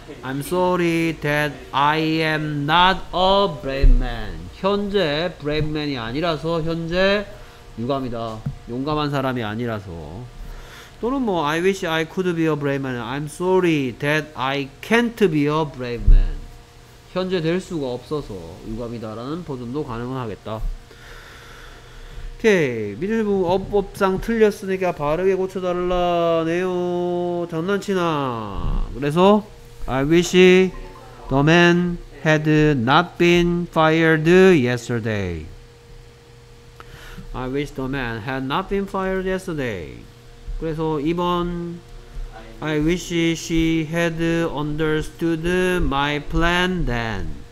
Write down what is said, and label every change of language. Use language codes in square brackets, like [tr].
[en] I'm sorry that I am not a brave man. [ko] 현재 [en] brave man [ko] 이 아니라서 현재 유감이다. 용감한 사람이 아니라서. [en] 또는 뭐 I wish I could be a brave man. I'm sorry that I can't be a brave man. [ko] 현재 될 수가 없어서 유감이다 라는 버전도 가능하겠다. 오케이. 미주부 어법상 틀렸으니까 바르게 고쳐달라네요. 장난치나. [en] 그래서 I wish the man had not been fired yesterday. I wish the man had not been fired yesterday. 그래서 2번 I wish she had understood my plan then.